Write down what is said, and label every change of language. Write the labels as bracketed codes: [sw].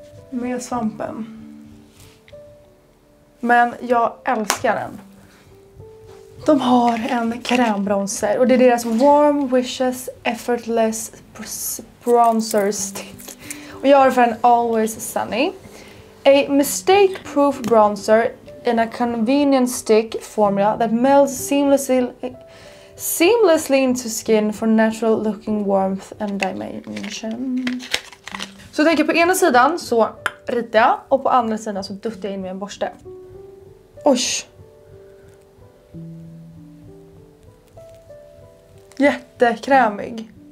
[sv] Med svampen. Men jag älskar den. De har en krämbronzer och det är deras Warm Wishes Effortless Bronzer Stick. Och jag har för en Always Sunny. [en] A mistake-proof bronzer in a convenient stick formula that melts seamlessly into skin for natural looking warmth and dimension. [sv] Så jag tänker på ena sidan så ritar jag och på andra sidan så duttar jag in med en borste. Oj. Jättekrämig.